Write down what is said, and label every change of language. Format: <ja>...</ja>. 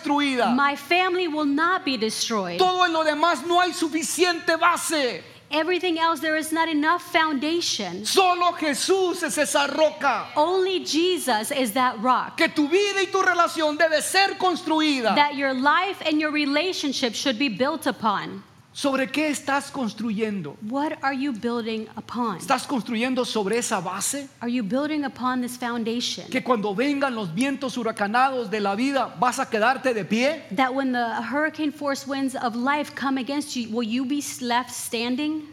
<en>My family will not be destroyed.</en> <es>Todo en lo demás no hay suficiente base.</es> <en>Everything else, there is not enough foundation.</en> <es>Solo Jesús es esa roca.</es> <en>Only Jesus is that rock.</en> <es>Que tu vida y tu relación debe ser construida.</es> <en>That your life and your relationship should be built upon.</en> <es>¿Sobre qué estás construyendo?</es> <en>What are you building upon?</en> <es>¿Estás construyendo sobre esa base?</es> <en>Are you building upon this foundation?</en> <es>¿Que cuando vengan los vientos huracanados de la vida vas a quedarte de pie?</es> <en>That when the hurricane force winds of life come against you, will you be left standing?</en>